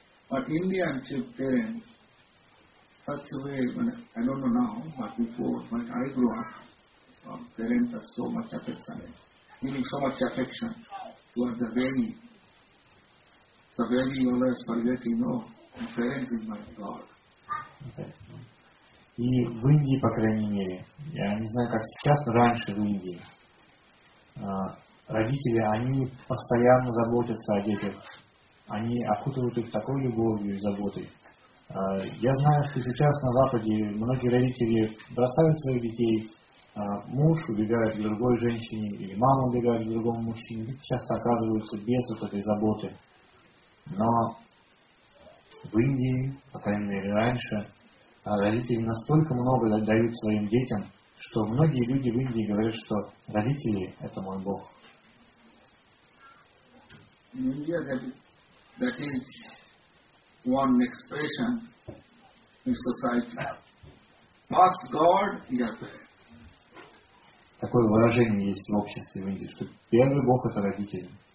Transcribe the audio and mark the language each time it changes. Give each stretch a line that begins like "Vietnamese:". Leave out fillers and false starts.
English: But Indian parents, such a way, I don't know now, but before, when I grew up, parents have so much affection, giving so much affection towards the baby. The baby always forget, you know, my parents is my God.
Russian: И в Индии, по крайней мере, я не знаю, как сейчас, раньше в Индии, родители, они постоянно заботятся о детях. Они окутывают их такой любовью и заботой. Я знаю, что сейчас на Западе многие родители бросают своих детей. Муж убегает к другой женщине, или мама убегает к другому мужчине. Дети часто оказываются без вот этой заботы. Но в Индии, по крайней мере раньше, родители настолько много дают своим детям, что многие люди в Индии говорят, что родители – это мой Бог.
English: In India, that is one expression in society. Ask God, yes.
Russian: Такое выражение есть в обществе в Индии, что первый Бог – это родители.